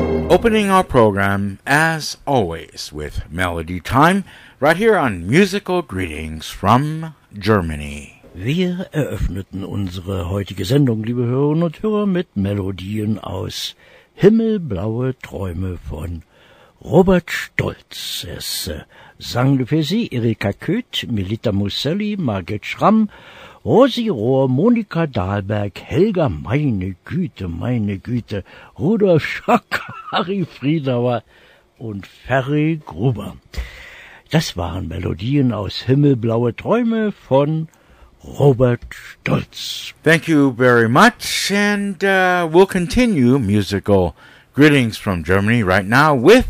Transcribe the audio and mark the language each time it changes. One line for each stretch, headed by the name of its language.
English: Opening our program, as always, with Melody Time, right here on Musical Greetings from Germany.
German: Wir eröffneten unsere heutige Sendung, liebe Hörerinnen und Hörer, mit Melodien aus Himmelblaue Träume von Robert Stolz. Es sang für Sie Erika Köth, Melita Musselli, Margit Schramm, Rosi Rohr, Monika Dahlberg, Helga, meine Güte, Rudolf Schock, Harry Friedauer und Ferry Gruber. Das waren Melodien aus Himmelblaue Träume von Robert Stolz.
English: Thank you very much, and we'll continue musical greetings from Germany right now with...